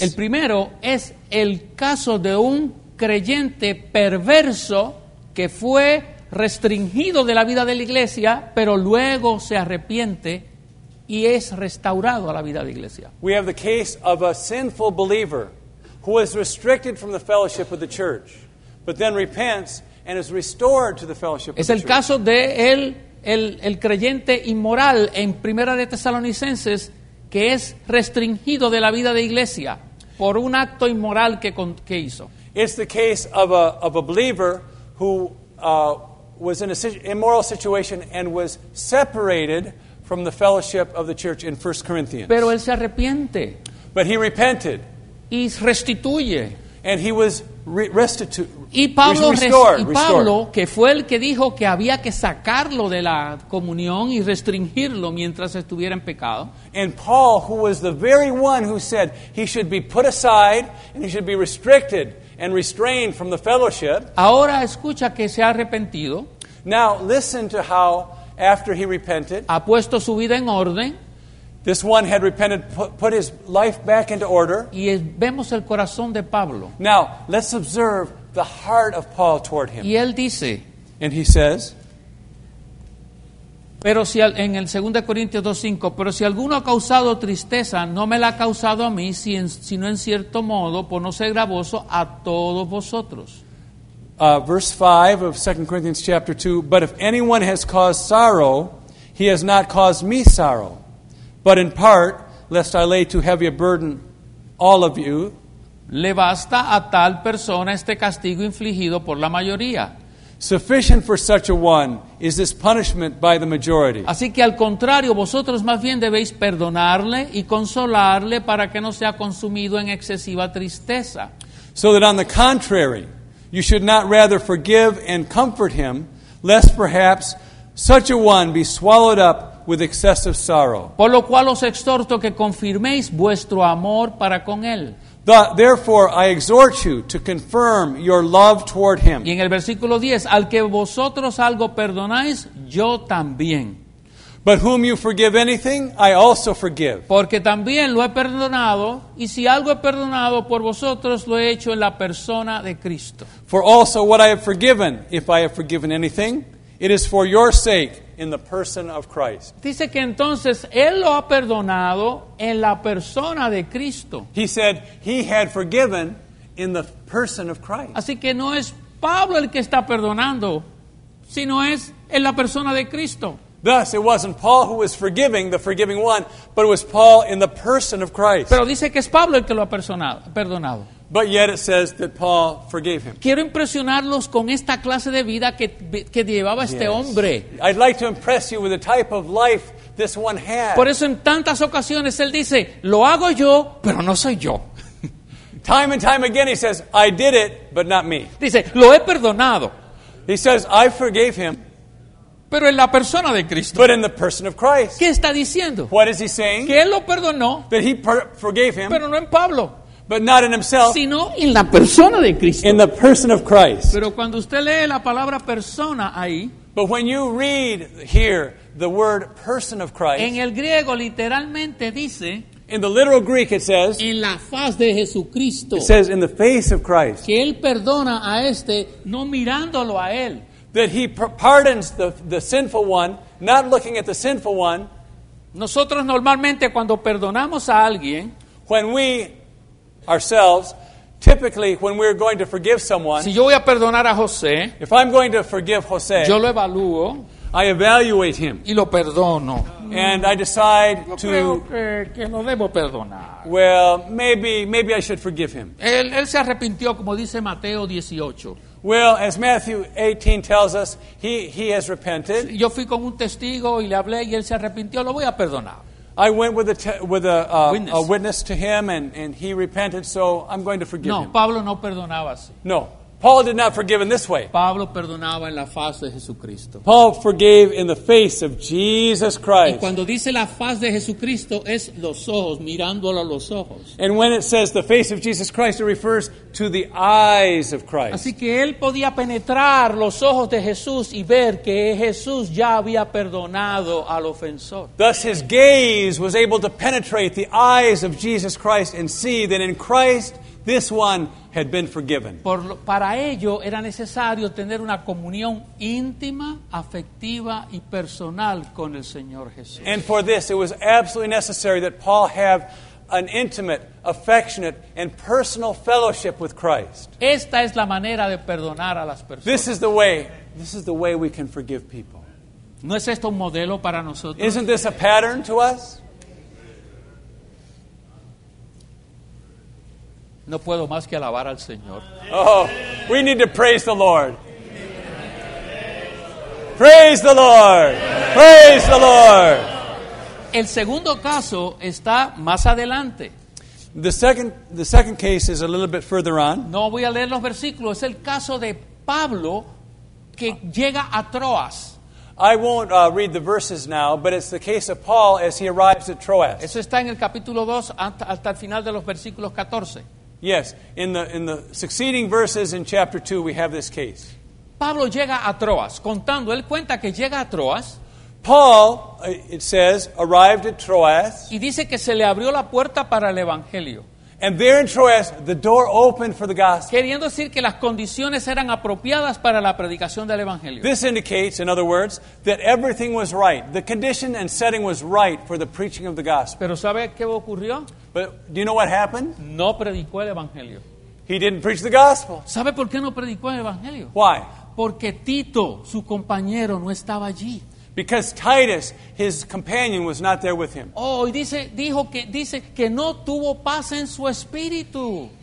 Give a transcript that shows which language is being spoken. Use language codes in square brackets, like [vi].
[es] El primero es el caso de un creyente perverso que fue restringido de la vida de la iglesia, pero luego se arrepiente y es restaurado a la vida de la iglesia. [en] We have the case of a sinful believer who is restricted from the fellowship of the church, but then repents and is restored to the fellowship of the church. [es] Es el caso de el creyente inmoral en Primera de Tesalonicenses que es restringido de la vida de iglesia por un acto inmoral que hizo. [en] It's the case of a believer who was in an immoral situation and was separated from the fellowship of the church in 1 Corinthians. [es] Pero él se arrepiente. [en] But he repented. [es] Y restituye. [en] And he was restored. [es] Y Pablo, Pablo, que fue el que dijo que había que sacarlo de la comunión y restringirlo mientras estuviera en pecado. [en] And Paul, who was the very one who said he should be put aside and he should be restricted and restrained from the fellowship. [es] Ahora escucha que se ha arrepentido. [en] Now listen to how, after he repented, [es] ha puesto su vida en orden. [en] This one had repented, put his life back into order. [es] Y vemos el corazón de Pablo. [en] Now, let's observe the heart of Paul toward him. [es] Y él dice, [en] and he says, [es] pero si en el 2 Corintios 2:5, pero si alguno ha causado tristeza, no me la ha causado a mí, sino en cierto modo, por no ser gravoso, a todos vosotros. [en] Verse 5 of 2 Corinthians chapter 2, but if anyone has caused sorrow, he has not caused me sorrow. But in part, lest I lay too heavy a burden, all of you. [es] Le basta a tal persona este castigo infligido por la mayoría. [en] Sufficient for such a one is this punishment by the majority. [es] Así que al contrario, vosotros más bien debéis perdonarle y consolarle para que no sea consumido en excesiva tristeza. [en] So that on the contrary, you should not rather forgive and comfort him, lest perhaps such a one be swallowed up with excessive sorrow. [es] Por lo cual os exhorto que confirméis vuestro amor para con él. [en] Therefore I exhort you to confirm your love toward him. [es] Y en el versículo 10, al que vosotros algo perdonáis, yo también. [en] But whom you forgive anything, I also forgive. [es] Porque también lo he perdonado, y si algo he perdonado por vosotros, lo he hecho en la persona de Cristo. [en] For also what I have forgiven, if I have forgiven anything, it is for your sake, in the person of Christ. [es] Dice que entonces él lo ha perdonado en la persona de Cristo. [en] He said he had forgiven in the person of Christ. [es] Así que no es Pablo el que está perdonando, sino es en la persona de Cristo. [en] Thus, it wasn't Paul who was forgiving the forgiving one, but it was Paul in the person of Christ. [es] Pero dice que es Pablo el que lo ha perdonado. [en] But yet it says that Paul forgave him. [es] Quiero impresionarlos con esta clase de vida que llevaba este hombre. [en] I'd like to impress you with the type of life this one had. [es] Por eso en tantas ocasiones él dice, lo hago yo, pero no soy yo. [en] Time and time again he says, I did it, but not me. [es] Dice, lo he perdonado. [en] He says, I forgave him. [es] Pero en la persona de Cristo. [en] But in the person of Christ. [es] ¿Qué está diciendo? [en] What is he saying? [es] Que él lo perdonó. [en] That he forgave him. [es] Pero no en Pablo. [en] But not in himself, [es] sino en la persona de Cristo. [en] In the person of Christ. [es] Pero cuando usted lee la palabra persona ahí, [en] but when you read here the word person of Christ, [es] en el griego literalmente dice, [en] in the literal Greek it says, [es] en la faz de Jesucristo, [en] it says in the face of Christ, [es] que él perdona a este no mirándolo a él, [en] that he pardons the sinful one, not looking at the sinful one. [es] Nosotros normalmente cuando perdonamos a alguien, [en] when we ourselves, typically when we're going to forgive someone, [es] si yo voy a perdonar a José, [en] if I'm going to forgive José, [es] yo lo evalúo, [en] I evaluate him, [es] y lo perdono, [en] and I decide [es] yo [en] to, [es] creo que lo debo perdonar. [en] Well, maybe I should forgive him. [es] Él se arrepintió, como dice Mateo 18. [en] Well, as Matthew 18 tells us, he has repented. [es] Si yo fui con un testigo y le hablé y él se arrepintió, lo voy a perdonar. [en] I went with a witness to him, and he repented, so I'm going to forgive him. [es] No, Pablo no perdonaba así. [en] No, Paul did not forgive in this way. [es] Pablo perdonaba en la faz de Jesucristo. [en] Paul forgave in the face of Jesus Christ. [es] Y cuando dice la faz de Jesucristo, es los ojos, mirándolo a los ojos. [en] And when it says the face of Jesus Christ, it refers to the eyes of Christ. [es] Así que él podía penetrar los ojos de Jesús y ver que Jesús ya había perdonado al ofensor. [en] Thus his gaze was able to penetrate the eyes of Jesus Christ and see that in Christ, this one had been forgiven. [es] Para ello era necesario tener una comunión íntima, afectiva y personal con el Señor Jesús. [en] And for this, it was absolutely necessary that Paul have an intimate, affectionate, and personal fellowship with Christ. [es] Esta es la manera de perdonar a las personas. [en] This is the way we can forgive people. [es] ¿No es esto un modelo para nosotros? [en] Isn't this a pattern to us? [es] No puedo más que alabar al Señor. [en] Oh, we need to praise the Lord. Praise the Lord. Praise the Lord. [es] El segundo caso está más adelante. [en] The second case is a little bit further on. [es] No voy a leer los versículos. Es el caso de Pablo que llega a Troas. [en] I won't read the verses now, but it's the case of Paul as he arrives at Troas. [es] Eso está en el capítulo 2 hasta el final de los versículos 14. [en] Yes, in the succeeding verses in chapter 2 we have this case. [es] Pablo llega a Troas, contando, él cuenta que llega a Troas. [en] Paul, it says, arrived at Troas. [es] Y dice que se le abrió la puerta para el evangelio. [en] And there in Troas, the door opened for the gospel. [es] Queriendo decir que las condiciones eran apropiadas para la predicación del evangelio. [en] This indicates, in other words, that everything was right. The condition and setting was right for the preaching of the gospel. [es] Pero ¿sabe qué ocurrió? [en] But do you know what happened? [es] No predicó el evangelio. [en] He didn't preach the gospel. [es] ¿Sabe por qué no predicó el evangelio? [en] Why? [es] Porque Tito, su compañero, no estaba allí. [en] Because Titus, his companion, was not there with him. [es] Oh, dice que no tuvo paz en su espíritu.